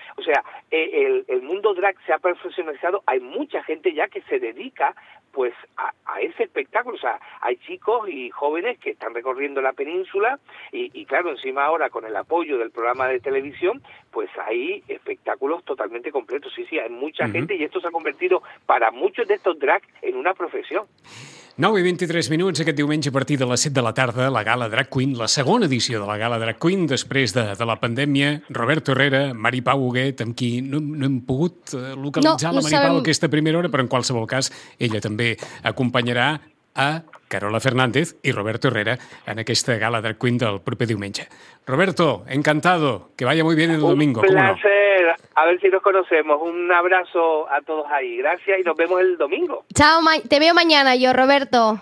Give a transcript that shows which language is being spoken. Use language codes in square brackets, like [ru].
[es] O sea, el mundo drag se ha profesionalizado, hay mucha gente ya que se dedica pues a ese espectáculo. O sea, hay chicos y jóvenes que están recorriendo la península y claro, encima ahora con el apoyo del programa de televisión, pues hay espectáculos totalmente completos. Sí, hay mucha uh-huh. gente y esto se ha convertido para muchos de estos drag en una profesión. [ca] 9:23 aquest diumenge a partir de les 7 de la tarda, la gala Drag Queen, la segona edició de la gala Drag Queen, després de la pandèmia, Roberto Herrera, Mari Pau Huguet, amb qui no hem pogut localitzar la Mari Pau aquesta primera hora, però en qualsevol cas ella també acompanyarà a Carola Fernández i Roberto Herrera en aquesta gala Drag Queen del proper diumenge. [es] Roberto, encantado, que vaya muy bien el domingo. Un placer, a ver si nos conocemos. Un abrazo a todos ahí, gracias y nos vemos el domingo. Chao, te veo mañana yo, Roberto.